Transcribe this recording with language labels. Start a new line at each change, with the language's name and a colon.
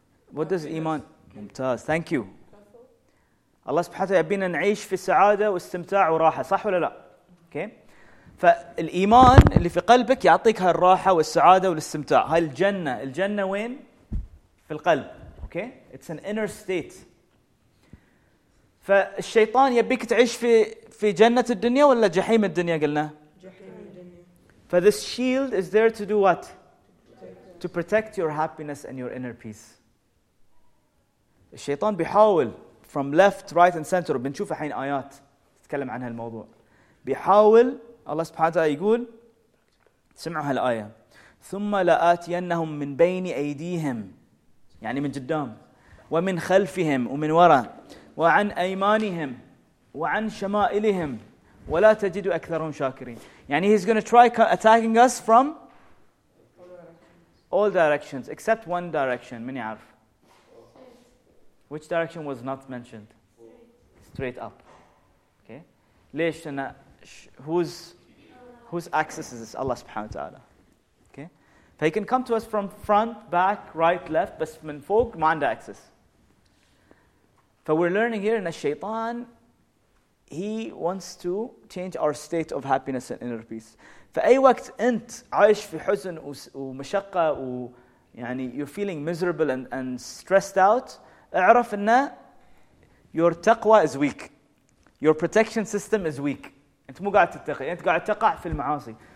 English: What does iman?
Arabic: ممتاز.
English: Thank you.
Arabic: الله سبحانه وتعالى يبينا نعيش في سعاده واستمتاع وراحه صح ولا لا؟ اوكي فالايمان اللي في قلبك يعطيك هالراحه والسعاده والاستمتاع. هاي الجنه. الجنه وين؟ في القلب.
English: Okay it's an inner state.
Arabic: فالشيطان يبيك تعيش في جنة الدنيا ولا جحيم الدنيا؟ قلنا جحيم الدنيا.
English: ف this shield is there to do what? To protect your happiness and your inner peace.
Arabic: الشيطان بيحاول
English: from left, right and center.
Arabic: بنشوف الحين آيات تتكلم عن هالموضوع. بيحاول الله سبحانه وتعالى يقول سمعوا هالآية ثم لآتينهم من بين أيديهم يعني من قدام ومن خلفهم ومن وراء وعن أيمانهم وعن شمائلهم ولا تجد أكثرهم شاكرين.
English: يعني he's going to try attacking us from all directions except one direction.
Arabic: من يعرف؟
English: Which direction was not mentioned? Straight up. Okay. ليش؟ whose axis is this? Allah subhanahu wa ta'ala. Okay.
Arabic: فهي
English: can come to us from front, back, right, left.
Arabic: بس من فوق ما عنده
English: axis. So we're learning here in a shaitan, he wants to change our state of happiness and inner peace.
Arabic: فأي وقت أنت عايش في حزن ومشقة ويعني
English: you're feeling miserable and stressed out,
Arabic: اعرف أن your تقوى is weak.
English: Your protection system is weak.
Arabic: أنت مو قاعد تتقي. أنت قاعد تقع في المعاصي.